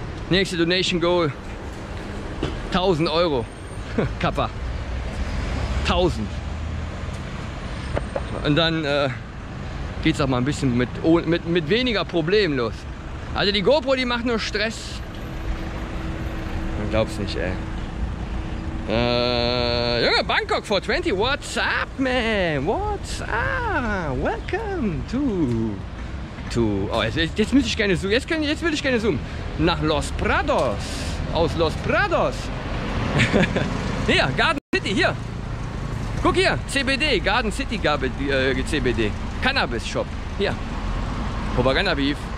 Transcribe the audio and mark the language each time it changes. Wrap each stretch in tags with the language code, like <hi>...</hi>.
<de>Nächste Donation Goal. 1000 Euro. Kappa. 1000. Und dann geht's auch mal ein bisschen mit weniger Problemen los. Also die GoPro, die macht nur Stress. Man glaubt's nicht, ey. Junge,</de> <en>Bangkok 420, what's up, man? What's up? Welcome to.</en> <de>Oh, jetzt müsste ich gerne zoomen. Jetzt würde ich gerne zoomen. Nach Los Prados. Aus Los Prados. Hier, Garden City, hier. Guck hier, CBD, Garden City CBD. Cannabis Shop. Hier. Propaganda Beef.</de>